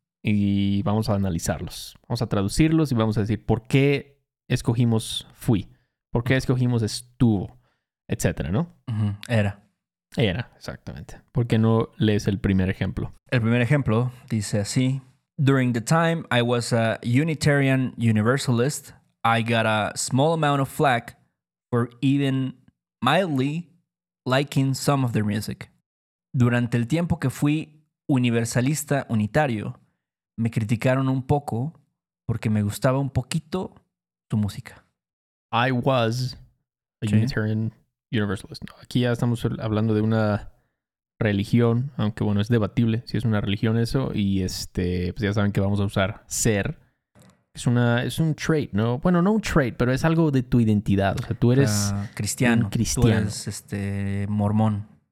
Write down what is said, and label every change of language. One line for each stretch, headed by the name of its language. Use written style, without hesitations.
Spanish: Y vamos a analizarlos. Vamos a traducirlos y vamos a decir por qué escogimos fui. Por qué escogimos estuvo, etcétera, ¿no? Uh-huh. Era. Era, exactamente. ¿Por qué no lees el primer ejemplo? El primer ejemplo dice así...
English: During the time I was a Unitarian Universalist, I got a small amount of flack for even mildly liking some of their music.
Spanish: Durante el tiempo que fui universalista unitario, me criticaron un poco porque me gustaba un poquito su música.
English: I was a Unitarian Universalist.
Spanish: No, aquí ya estamos hablando de una... religión, aunque bueno, es debatible si es una religión eso, y pues ya saben que vamos a usar ser. Es un trait, ¿no? Bueno, no un trait, pero es algo de tu identidad. O sea, tú eres cristiano. Cristiano. Tú eres mormón.